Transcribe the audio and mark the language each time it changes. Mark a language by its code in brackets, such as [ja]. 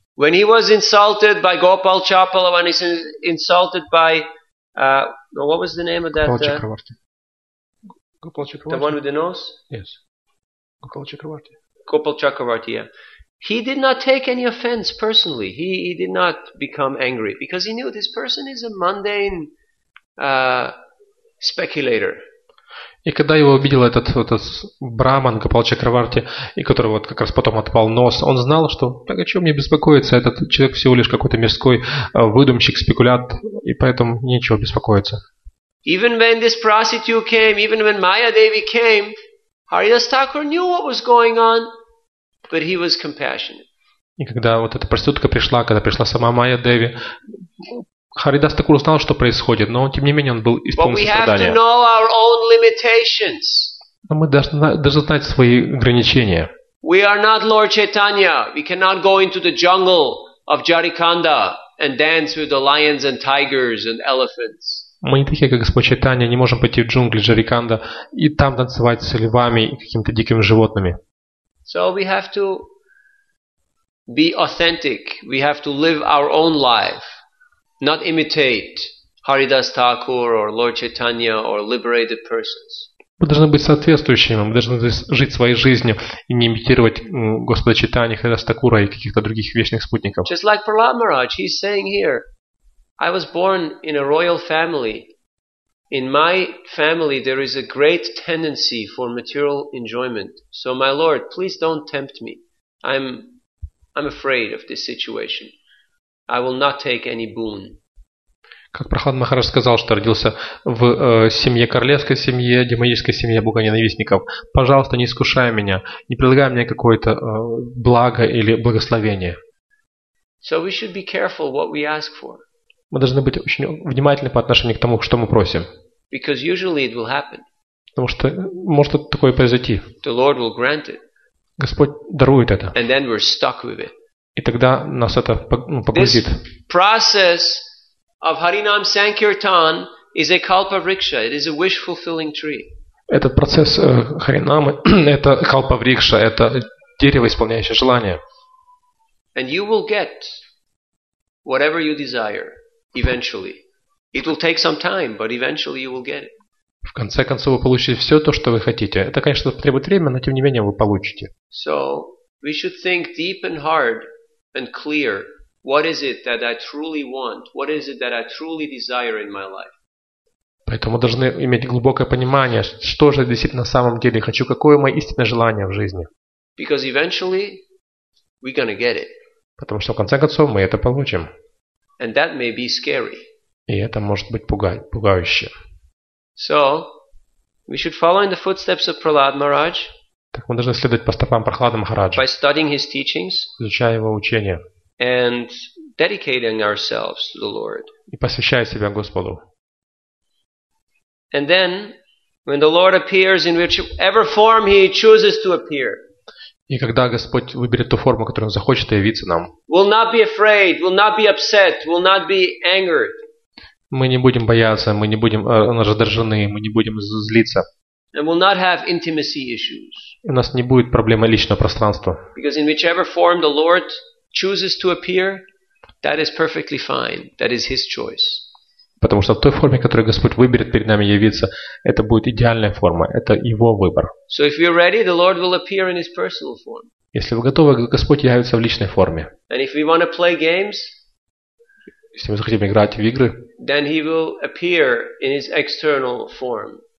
[en] When he was insulted by Gopal Chapala, when he's insulted by what was the name of that? Gopal Chakravarti. Gopal Chakravarti. The one with the nose? Yes. Gopal Chakravarti. Gopal Chakravarti, yeah. He did not take any offense personally. He did not become angry because he knew this person is a mundane speculator. [ru] И когда его увидел этот браман Гопал Чакраварти, и который вот как раз потом отпал нос, он знал, что так о чем мне беспокоиться? Этот человек всего лишь какой-то мирской выдумщик, спекулянт, и поэтому нечего беспокоиться. [en] Even when this prostitute came, even when Maya Devi came, Haridas Thakur knew what was going on. But he was compassionate. [ru] И когда вот эта проститутка пришла, когда пришла сама Майя Деви, Харидас Такур узнал, что происходит, но тем не менее он был исполнен сострадания. [en] But we have to know our own limitations. [ru] Но мы должны знать свои ограничения. [en] We are not Lord Chaitanya. We cannot go into the jungle of Jarikanda and dance with the lions and tigers and elephants. [ru] Мы не такие, как Господь Чайтанья, не можем пойти в джунгли Джариканда и там танцевать с львами и какими-то дикими животными. [en] So we have to be authentic. We have to live our own life, not imitate Haridas Thakur or Lord Chaitanya or liberated persons. [ru] Мы должны быть соответствующими. Мы должны жить своей жизнью и не имитировать Господа Чайтанью, Харидас Такура и каких-то других вечных спутников. [en] Just like Prahlad Maharaj, he's saying here, I was born in a royal family. In my family, there is a great tendency for material enjoyment. So, my Lord, please don't tempt me. I'm afraid of this situation. I will not take any boon. [ru] Как Прохлад Махарадж сказал, что родился в семье, королевской семье, демонической семье богоненавистников. Пожалуйста, не искушай меня, не предлагай мне какое-то благо или благословение. [en] So we should be careful what we ask for. [ru] Мы должны быть очень внимательны по отношению к тому, что мы просим. [en] Because usually it will happen. [ru] Потому что может такое произойти. [en] The Lord will grant it. [ru] Господь дарует это. [en] And then we're stuck with it. [ru] И тогда нас это погрузит. [en] This process of Harinam Sankirtan is a kalpavriksha. It is a wish-fulfilling tree. [ru] Этот процесс Харинамы – это калпавриксха, это дерево, исполняющее желание. [en] And you will get whatever you desire eventually. It will take some time, but eventually you will get it. [ru] В конце концов, вы получите все то, что вы хотите. Это, конечно, потребует время, но тем не менее вы получите. [en] So we should think deep and hard and clear. What is it that I truly want? What is it that I truly desire in my life? [ru] Поэтому должны иметь глубокое понимание, что же действительно на самом деле хочу, какое мое истинное желание в жизни. [en] Because eventually we're gonna get it. [ru] Потому что в конце концов мы это получим. [en] And that may be scary. [ru] И это может быть пугающе. [en] So we should follow in the footsteps of Prahlad Maharaj. [ru] Так мы должны следовать по стопам Прохлады Махараджа. [en] By studying his teachings. [ru] Изучая его учения. [en] And dedicating ourselves to the Lord. [ru] И посвящая себя Господу. [en] And then, when the Lord appears in whichever form He chooses to appear. [ru] И когда Господь выберет ту форму, которую Он захочет явиться нам. [en] We'll not be afraid. We'll not be upset. We'll not be angered. [ru] Мы не будем бояться. Мы не будем раздражены. Мы не будем злиться. [en] And we'll not have intimacy issues. [ru] У нас не будет проблемы личного пространства. [en] Because in whichever form the Lord chooses to appear, that is perfectly fine. That is His choice. [ru] Потому что в той форме, которую Господь выберет перед нами явиться, это будет идеальная форма. Это Его выбор. [en] So if we're ready, the Lord will appear in His personal form. [ru] Если вы готовы, Господь явится в личной форме. [en] And if we want to play games, [ru] если мы захотим играть в игры, [en] then He will appear in His external form.